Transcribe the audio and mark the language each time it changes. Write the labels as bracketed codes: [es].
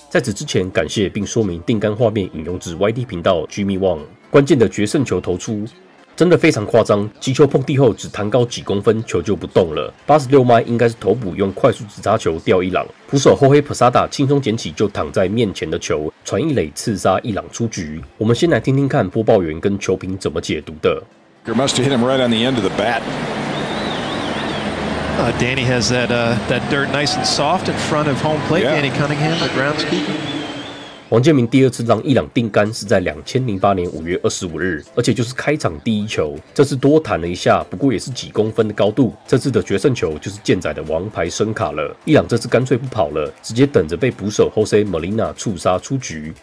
[zh] 在此之前，感谢并说明定杆画面引用至 YT 频道 Jimmy Wong 关键的决胜球投出，真的非常夸张，击球碰地后只弹高几公分，球就不动了。 86迈应该是头部用快速直插球吊一朗，捕手后黑 Posada 轻松捡起就躺在面前的球，传一垒刺杀一朗出局。我们先来听听看播报员跟球评怎么解读的。 [en] You must have hit him right on the end of the bat. Danny has that dirt nice and soft in front of home plate.、Yeah. Danny Cunningham, the groundskeeper. [zh] 王建民第二次让一朗定杆是在2008年5月25日，而且就是开场第一球。这次多弹了一下，不过也是几公分的高度。这次的决胜球就是健仔的王牌深卡了。一朗这次干脆不跑了，直接等着被捕手 Jose Molina 触杀出局。